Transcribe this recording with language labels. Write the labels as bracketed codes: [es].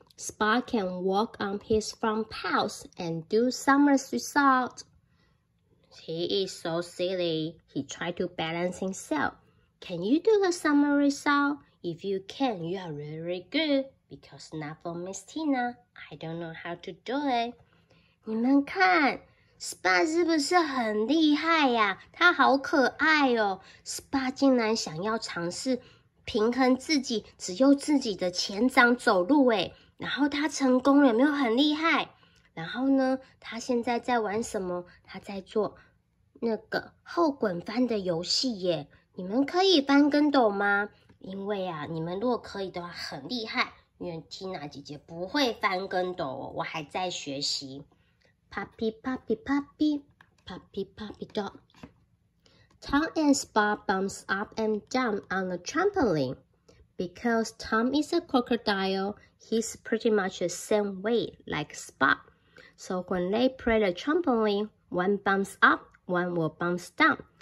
[en] Spot can walk on his front paws and do somersault. He is so silly. He tried to balance himself. Can you do the somersault? If you can, you are really, really good. Because not for Miss Tina. I don't know how to do it. [zh] 你们看 ,Spot 是不是很厉害呀、啊、他好可爱哦。 Spot 竟然想要尝试平衡自己只用自己的前掌走路诶。然后他成功了，有没有很厉害？然后呢他现在在玩什么？他在做那个后滚翻的游戏耶。你们可以翻跟斗吗？因为啊你们如果可以的话很厉害，因为 Tina 姐姐不会翻跟斗、哦、我还在学习。 [en] Puppy, puppy, puppy, puppy, puppy dog. Tom and Spot bumps up and down on the trampoline. Because Tom is a crocodile, he's pretty much the same weight like Spot. So when they play the trampoline, one bumps up, one will bumps down.